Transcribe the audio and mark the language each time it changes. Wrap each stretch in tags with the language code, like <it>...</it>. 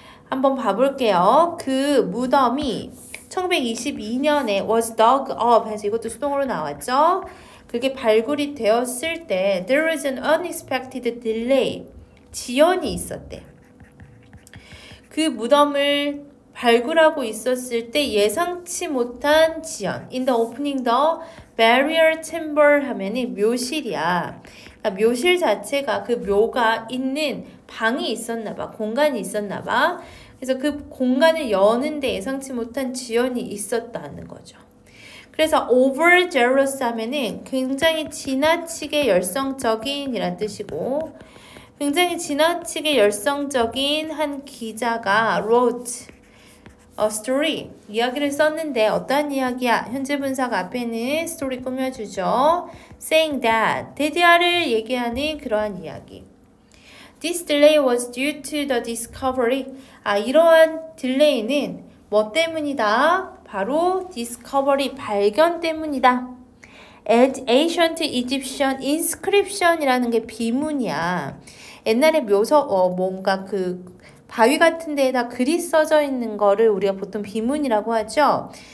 <ko>한번 봐볼게요. 그 무덤이 1922년에</ko> <en>was dug up</en> <ko>해서 이것도 수동으로 나왔죠. 그게 발굴이 되었을 때</ko> <en>there was an unexpected delay,</en> <ko>지연이 있었대. 그 무덤을 발굴하고 있었을 때 예상치 못한 지연.</ko> <en>In the opening, the burial chamber</en> <ko>하면은 묘실이야. 그러니까 묘실 자체가 그 묘가 있는 방이 있었나 봐. 공간이 있었나 봐. 그래서 그 공간을 여는데 예상치 못한 지연이 있었다는 거죠. 그래서 over zealous 하면은 굉장히 지나치게 열성적인 이란 뜻이고, 굉장히 지나치게 열성적인 한 기자가</ko> <en>wrote a story,</en> <ko>이야기를 썼는데 어떤 이야기야? 현재 분사가 앞에는 story 꾸며주죠.</ko> <en>saying that,</en> <ko>대디아를 얘기하는 그러한 이야기.</ko> <en>This delay was due to the discovery.</en> <ko>아, 이러한 delay는 뭐 때문이다? 바로 discovery, 발견 때문이다.</ko> <en>ancient Egyptian inscription</en> <ko>이라는 게 비문이야. 옛날에 묘서, 뭔가 그 바위 같은 데에다 글이 써져 있는 거를 우리가 보통 비문이라고 하죠.</ko>